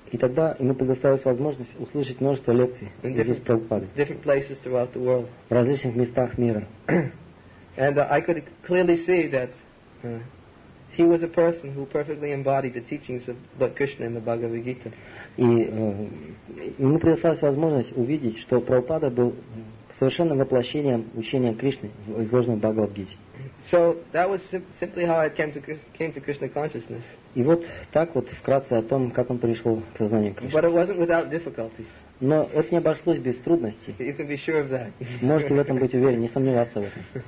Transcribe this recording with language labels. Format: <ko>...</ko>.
<ru>И тогда ему предоставилась возможность услышать множество лекций из Прабхупады.</ru> <en>Different places throughout the world.</en> <ru>В различных местах мира.</ru> <en>And I could clearly see that he was a person who perfectly embodied the teachings of Lord Krishna in the Bhagavad Gita.</en> <ru>И ему предоставилась возможность увидеть, что Прабхупада был совершенным воплощением учения Кришны, изложенного в Бхагавад-гите.</ru> <en>So that was simply how I came to Krishna consciousness.</en> <ru>И вот так вот вкратце о том, как он пришел к сознанию Кришны.</ru> <en>But it wasn't without difficulties.</en> <ru>Но это не обошлось без трудностей.</ru> <en>You can be sure of that.</en> <ru>Можете в этом быть уверены, не сомневаться в этом.</ru>